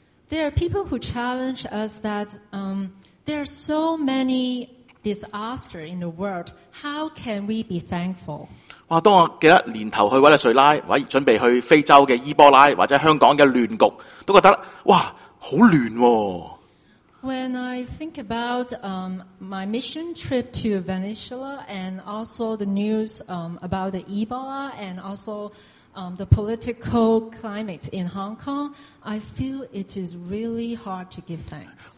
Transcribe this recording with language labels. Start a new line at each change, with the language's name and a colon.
English: ？There are people who challenge us that there are so many disaster in the world. How can we be thankful？哇！
Cantonese: 当我记得年头去委内瑞拉，或准备去非洲嘅伊波拉，或者香港嘅乱局，都觉得哇，好亂喎。
English: When I think about my mission trip to Venezuela and also the news about the Ebola and also the political climate in Hong Kong, I feel it is really hard to give thanks.